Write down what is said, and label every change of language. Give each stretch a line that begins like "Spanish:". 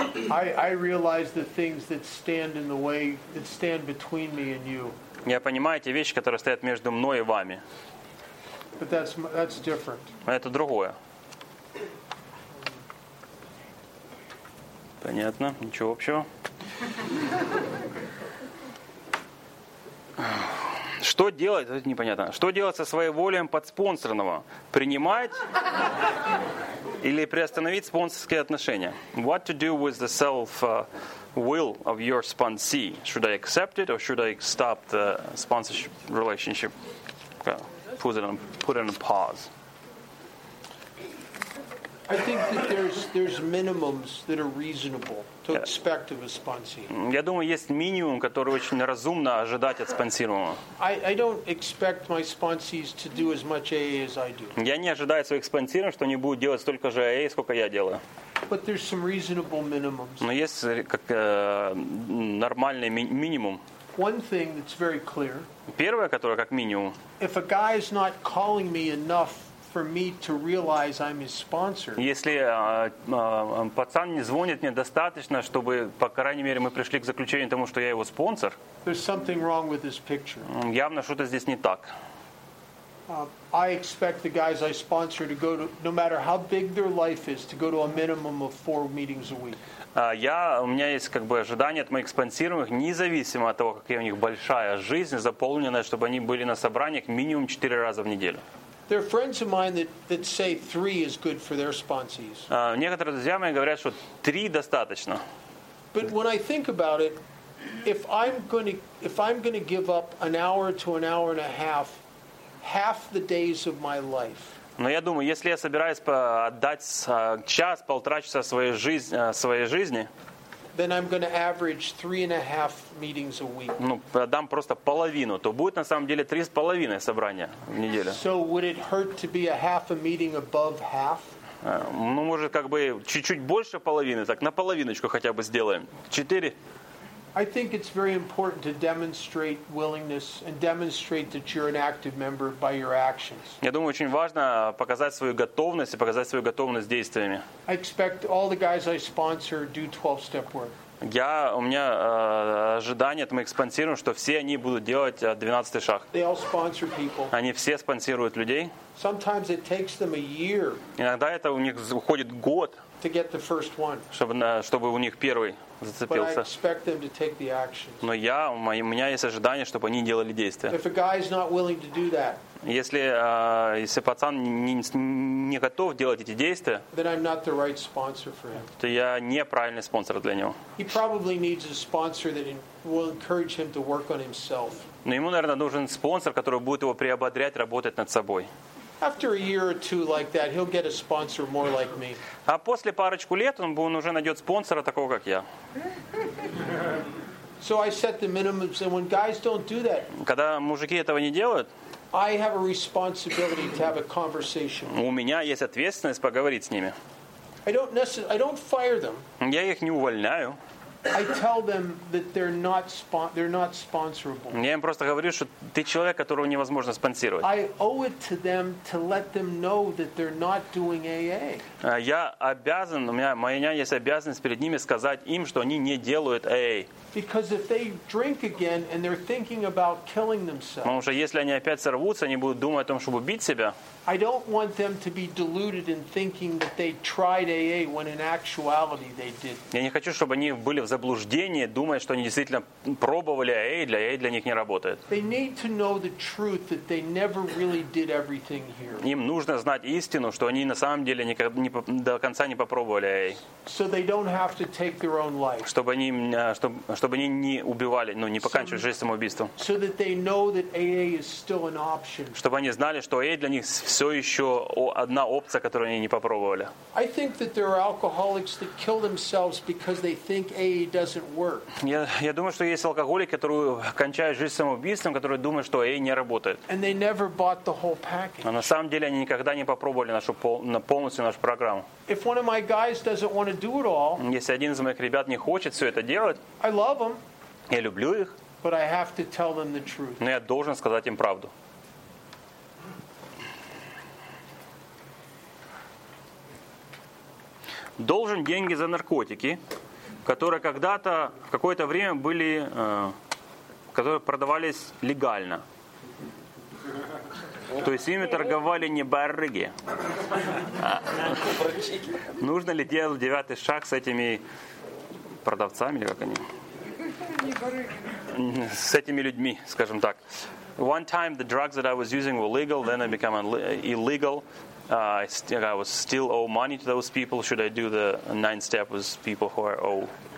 English: I realize the things that stand in the way, that stand between me and you.
Russian: Я понимаю те вещи, которые стоят между мной и вами.
English: But that's different.
Russian: Это другое. Понятно, ничего общего. Что делать? Это непонятно. Что делать со своеволием подспонсорного? Принимать или приостановить спонсорские отношения?
English: What to do with the self-will of your sponsee? Should I accept it or should I stop the sponsorship relationship? Put it on pause. I think that there's minimums that are reasonable to expect of a sponsee.
Russian: Я думаю, есть минимум, который очень разумно ожидать от спонсируемого.
English: I don't expect my sponsees to do as much AA as I do.
Russian: Я не ожидаю от своих спонсируемых, что они будут делать столько же AA, сколько я делаю.
English: But there's some reasonable minimums.
Russian: Но есть как нормальный минимум.
English: One thing that's very clear.
Russian: Первое, которое как минимум.
English: If a guy is not calling me enough for me to realize I'm his sponsor.
Russian: Если пацан не звонит мне достаточно, чтобы по крайней мере мы пришли к заключению тому, что я его спонсор.
English: There's something wrong with this picture.
Russian: Явно что-то здесь не так.
English: I expect the guys I sponsor to go to, no matter how big their life is, to go to a minimum of 4 meetings a week.
Russian: У меня есть как бы ожидание от моих спонсируемых, независимо от того, какая у них большая жизнь, заполненная, чтобы они были на собраниях минимум 4 раза в неделю.
English: There are friends of mine that say 3 is good for their sponsees.
Russian: Некоторые друзья мои говорят, что 3 достаточно.
English: But when I think about it, if I'm going to give up an hour to an hour and a half, half the days of my life.
Russian: Но я думаю, если я собираюсь отдать час-полтора часа своей жизни,
English: then I'm going to average 3.5 meetings a week.
Russian: Ну, отдам просто половину, то будет на самом деле 3.5 собрания в неделю.
English: So would it hurt to be a half a meeting above half?
Russian: Ну, может, как бы чуть-чуть больше половины, так на половиночку хотя бы сделаем.
English: 4. I think it's very important to demonstrate willingness and demonstrate that you're an active member by your actions.
Russian: Я думаю, очень важно показать свою готовность и показать свою готовность действиями.
English: I expect all the guys I sponsor do 12-step work.
Russian: У меня ожидание от моих спонсируемых, что все они будут делать 12-й шаг.
English: They all sponsor people.
Russian: Они все спонсируют людей.
English: Sometimes it takes them a year.
Russian: Иногда это у них уходит год.
English: To get the first one.
Russian: Чтобы у них первый зацепился.
English: But I expect them to take the action.
Russian: Но у меня есть ожидание, чтобы они делали действия.
English: If a guy is not willing to do that,
Russian: если пацан не готов делать эти действия,
English: then I'm not the right sponsor for him.
Russian: То я не правильный спонсор для него.
English: He probably needs a sponsor that will encourage him to work on himself.
Russian: Но ему, наверное, нужен спонсор, который будет его приободрять работать над собой.
English: After a year or two like that, he'll get a sponsor more like me.
Russian: А после парочку лет он уже найдет спонсора такого, как я.
English: So I set the minimums, and when guys don't do that,
Russian: когда мужики этого не делают,
English: I have a responsibility to have a conversation.
Russian: У меня есть ответственность поговорить с ними.
English: I don't fire them.
Russian: Я их не увольняю.
English: I tell them that they're not sponsorable.
Russian: Я им просто говорю, что ты человек, которого невозможно спонсировать.
English: I owe it to them to let them know that they're not doing AA.
Russian: Я обязан, у меня есть обязанность перед ними сказать им, что они не делают AA.
English: Because if they drink again and they're thinking about killing themselves.
Russian: Потому что если они опять сорвутся, они будут думать о том, чтобы убить себя.
English: I don't want them to be deluded in thinking that they tried AA when in actuality they didn't.
Russian: Я не хочу, чтобы они были в заблуждении, думая, что они действительно пробовали AA, для AA для них не работает.
English: They need to know the truth that they never really did everything here.
Russian: Им нужно знать истину, что они на самом деле никогда не до конца не попробовали AA.
English: So they don't have to take their own life.
Russian: Чтобы они не убивали, но не покончили жизнь самоубийством.
English: So that they know that AA is still an option.
Russian: Чтобы они знали, что AA для них все еще одна опция, которую они не попробовали.
English: I think that there are alcoholics that kill themselves because they think AA doesn't work.
Russian: Я думаю, что есть алкоголики, которые кончают жизнь самоубийством, которые думают, что AA не работает.
English: And they never bought the whole package.
Russian: А на самом деле они никогда не попробовали полностью нашу программу.
English: If one of my guys doesn't want to do it all,
Russian: если один из моих ребят не хочет все это делать,
English: I love them.
Russian: Я люблю их.
English: But I have to tell them the truth.
Russian: Но я должен сказать им правду. Должен деньги за наркотики, которые когда-то в какое-то время были, которые продавались легально. То есть ими торговали не барыги. Нужно ли делать 9-й шаг с этими продавцами, или как они? С этими людьми, скажем так.
English: One time the drugs that I was using were legal, then I became illegal. I was still owe money to those people. Should I do the 9 step with people who are owe?